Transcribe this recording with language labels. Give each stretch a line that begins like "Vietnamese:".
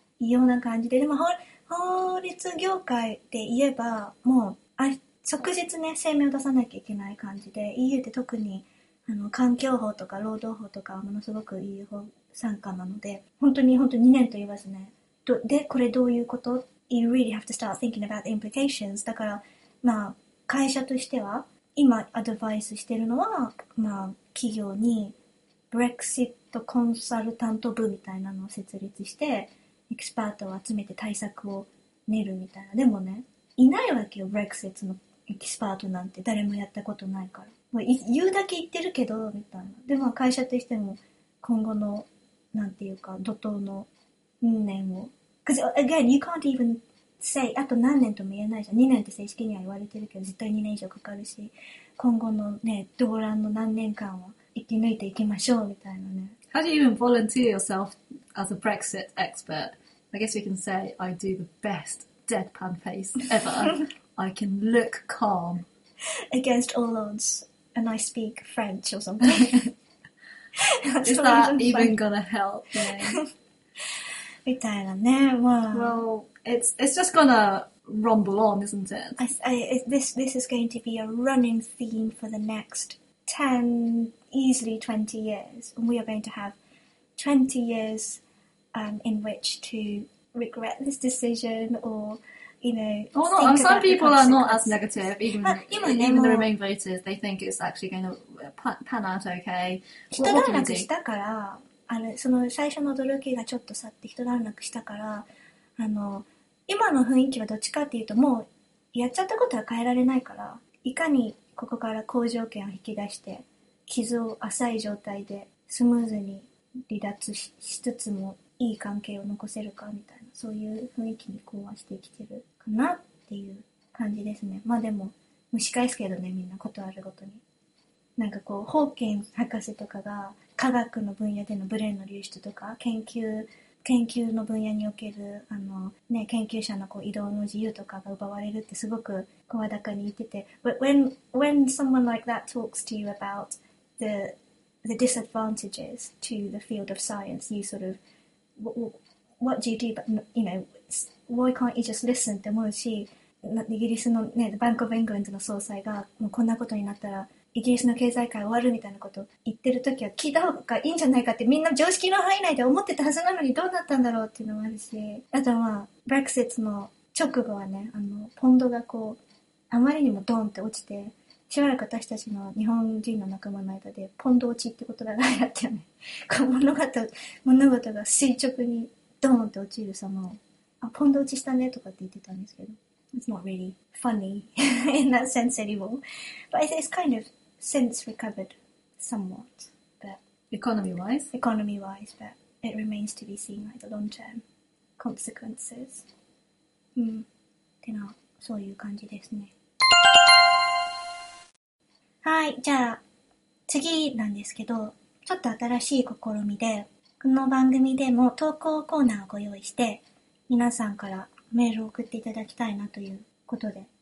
Japanese: 異様な感じで、でも法律業界で言えば、もう即日ね、声明を出さなきゃいけない感じで、EU って特にあの環境法とか労働法とかはものすごく EU 法参加なので、本当に2年と言いますね。で、これどういうこと？
English: You really have to start thinking about the implications.
Japanese: だから、まあ、会社としては今アドバイスしてるのは、まあ、企業に Brexit コンサルタント部みたいなのを設立してエキスパートを集めて対策を練るみたいな。でもね、いないわけよ、 Brexit のエキスパートなんて誰もやったことないから、もう言うだけ言ってるけどみたいな。でも会社としても今後のなんていうか怒涛の運念を、
English: Because again, you can't even say,
Japanese: あと何年とも言えないじゃん。 2年って正式には言われてるけど、絶対2年以上かかるし、今後のね、動乱の何年間は生き抜いていきましょうみたいなね。
English: How do you even volunteer yourself as a Brexit expert? I guess you can say, I do the best deadpan face ever. I can look calm. Against all odds, and I speak French or something. Is that even gonna help me?
Japanese: みたいなね、まあ、
English: Well, it's just gonna rumble on, isn't it? This is going to be a running theme for the next 10, easily 20 years. And we are going to have 20 years in which to regret this decision or, you know, think about the some people are not as negative, even the Remain voters. They think it's actually going to pan out okay.
Japanese: 人段落したから、あれその最初の驚きがちょっと去って一段落したから、あの今の雰囲気はどっちかっていうと、もうやっちゃったことは変えられないから、いかにここから好条件を引き出して傷を浅い状態でスムーズに離脱 しつつもいい関係を残せるかみたいな、そういう雰囲気に交わしてきてるかなっていう感じですね。まあでも蒸し返すけどね、みんなことあるごとに、なんかこうホーキン博士とかが科学の分野でのブレーンの流出とか、研究の分野におけるあの、ね、研究者のこう移動の自由とかが奪われるってすごく声高に言ってて、
English: But when someone like that talks to you about the disadvantages to the field of science, you sort of what do you do? But you know, why can't you just listen?
Japanese: って思うし、イギリスの、ね、バンクオブイングランドの総裁がもうこんなことになったらイギリスの経済界終わるみたいなこと言ってるときは聞いた方がいいんじゃないかってみんな常識の範囲内で思ってたはずなのに、どうなったんだろうっていうのもあるし、あとまあ Brexit の直後はね、あのポンドがこうあまりにもドーンって落ちて、しばらく私たちの日本人の仲間の間でポンド落ちって言葉が流行ったよね。物事が垂直にドーンって落ちる様を、あ、ポンド落ちしたねとかって言ってたんですけど、
English: It's not really funny in that sense anymore. But it's kind of since recovered somewhat. But economy-wise? Economy-wise, but it remains to be seen like the long-term consequences.
Japanese: うん。てな、そういう感じですね。はい、じゃあ次なんですけど、ちょっと新しい試みで、この番組でも投稿コーナーをご用意して、皆さんからメールを送っていただきたいなということで。